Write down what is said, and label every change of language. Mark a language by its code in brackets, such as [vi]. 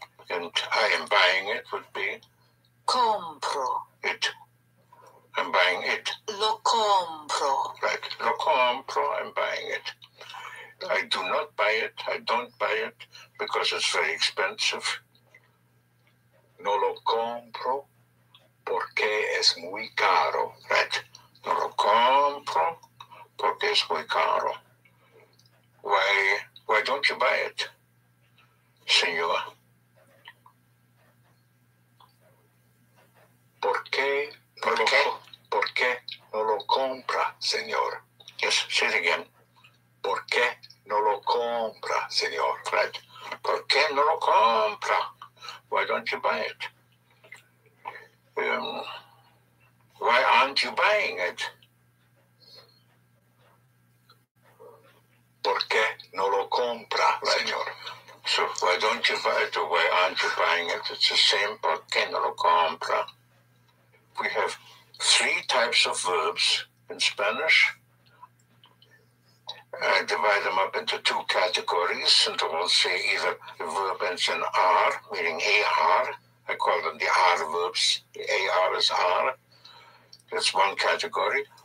[en] And I am buying it would be [es] compro. [en] It. I'm buying it. [es] Lo compro. [en] Right. [es] Lo compro. [en] I'm buying it. I do not buy it. I don't buy it because it's very expensive. [es] No lo compro porque es muy caro. [en] Right. [es] No lo compro porque es muy caro. [en] Why don't you buy it, señor? [es] ¿Por qué? ¿Por qué? ¿Por qué no lo compra, señor? [en] Yes, say it again. [es] ¿Por qué no lo compra, señor? [en] Right. [es] ¿Por qué no lo compra? [en] Why don't you buy it? Why aren't you buying it? [es] ¿Por qué no lo compra, señor? [en] So, why don't you buy it or why aren't you buying it? It's the same, [es] ¿por qué no lo compra? [en] We have three types of verbs in Spanish. I divide them up into two categories, and I will say either the verb ends in R, meaning AR. I call them the R verbs. The AR is R. That's one category.